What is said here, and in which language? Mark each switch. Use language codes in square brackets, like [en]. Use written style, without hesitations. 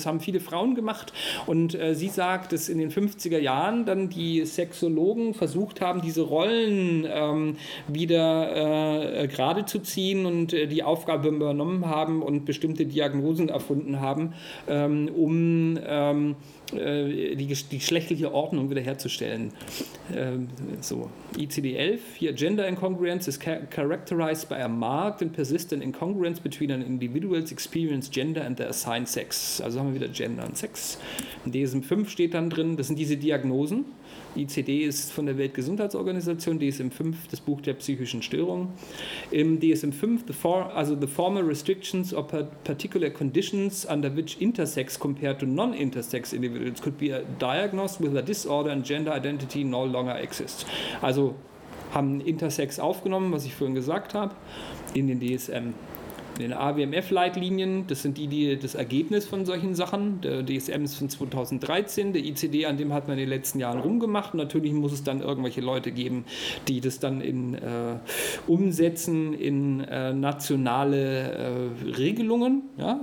[de] Das haben viele Frauen gemacht. Und sie sagt, dass in den 50er Jahren dann die Sexologen versucht haben, diese Rollen wieder gerade zu ziehen und die Aufgabe übernommen haben und bestimmte Diagnosen erfunden haben, um die geschlechtliche Ordnung wiederherzustellen. [en] So, ICD-11, hier: Gender incongruence is characterized by a marked and persistent incongruence between an individual's experience gender and their assigned sex. [de] Also haben wir wieder Gender und Sex. In DSM-5 steht dann drin, das sind diese Diagnosen. ICD ist von der Weltgesundheitsorganisation, DSM-5, das Buch der psychischen Störung. [en] Im DSM-5, the formal restrictions or particular conditions under which intersex compared to non-intersex individuals could be diagnosed with a disorder and gender identity no longer exist. [de] Also haben Intersex aufgenommen, was ich vorhin gesagt habe, in den DSM. In den AWMF-Leitlinien, das sind das Ergebnis von solchen Sachen. Der DSM ist von 2013, der ICD, an dem hat man in den letzten Jahren rumgemacht. Natürlich muss es dann irgendwelche Leute geben, die das dann umsetzen in nationale Regelungen, ja?